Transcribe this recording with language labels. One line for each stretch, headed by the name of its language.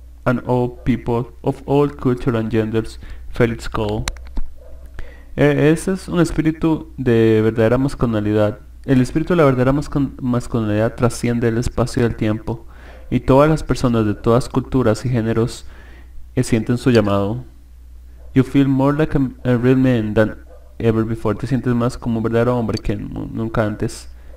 English: And all people of all culture and genders, Felix Cole.
Spanish: Ese es un espíritu de verdadera masculinidad. El espíritu de la verdadera masculinidad trasciende el espacio y el tiempo. Y todas las personas de todas culturas y géneros sienten su llamado.
English: You feel more like a real man than ever before.
Spanish: Te sientes más como un verdadero hombre que nunca antes.